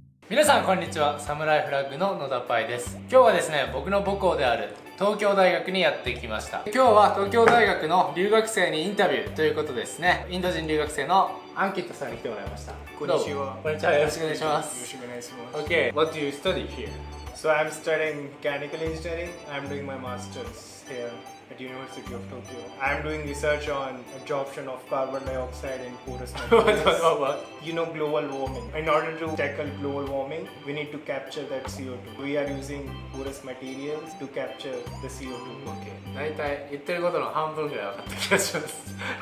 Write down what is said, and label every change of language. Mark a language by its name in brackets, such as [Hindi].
[Japanese] 皆さんこんにちは、サムライフラッグののだぱいです。今日はですね、僕の母校である東京大学にやってきました。今日は東京大学の留学生にインタビューということですね。インド人留学生のアンキットさんに来てもらいました。こんにちは。こんにちは、よろしくお願いします。よろしくお願いします。 [English] what do you study here? So I'm studying mechanical engineering. I'm doing my master's here at University of Tokyo. I'm doing research on absorption of carbon dioxide in porous materials. You know, global warming. In order to tackle global warming, we need to capture that CO2. We are using porous materials to capture the CO2. Okay. [Japanese] 大体言ってることの半分ぐらい分かった気がします。